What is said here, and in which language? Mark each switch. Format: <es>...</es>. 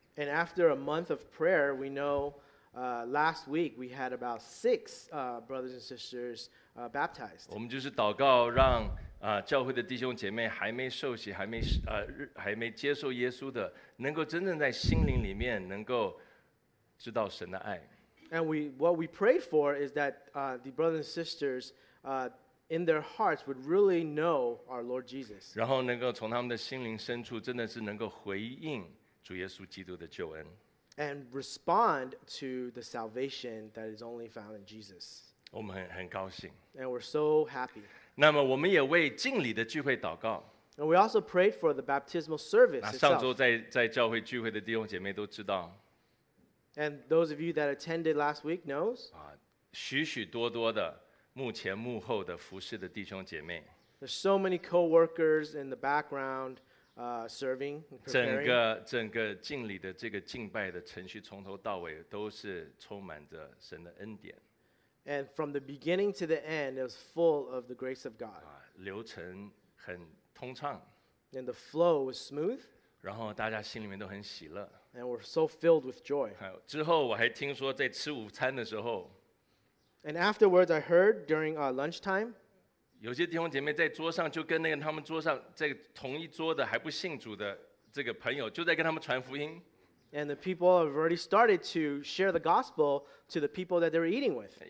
<en>And after a month of prayer, we know last week we had about six brothers and sisters baptized.</en> <zh>我们就是祷告让教会的弟兄姐妹还没受洗还没接受耶稣的能够真正在心灵里面能够知道神的爱。</zh> <en>And what we prayed for is that the brothers and sisters in their hearts would really know our Lord Jesus.</en> <zh>然后能够从他们的心灵深处真的是能够回应主耶稣基督的救恩。</zh> <en>And respond to the salvation that is only found in Jesus.</en> <zh>我们很高兴。</zh> <en>And we're so happy.</en> <zh>那么我们也为敬礼的聚会祷告。</zh> <en>And we also prayed for the baptismal service itself.</en> <zh>上周在教会聚会的弟兄姐妹都知道。</zh> <en>And those of you that attended last week knows.</en> <zh>许许多多的幕前幕后的服事的弟兄姐妹。</zh> <en>There's so many co-workers in the background serving.</en> <zh>整个敬礼的这个敬拜的程序从头到尾都是充满着神的恩典。</zh> <en>And from the beginning to the end, it was full of the grace of God.</en> <zh>流程很通畅。</zh> <en>And the flow was smooth.</en> <zh>然后大家心里面都很喜乐。</zh> <en>And we're so filled with joy.</en> <zh>之后我还听说在吃午餐的时候。</zh> <en>And afterwards, I heard during lunchtime.</en> <zh>有些弟兄姐妹在桌上就跟那个他们桌上在同一桌的还不信主的这个朋友就在跟他们传福音。</zh> <en>And the people have already started to share the gospel to the people that they were eating with.</en>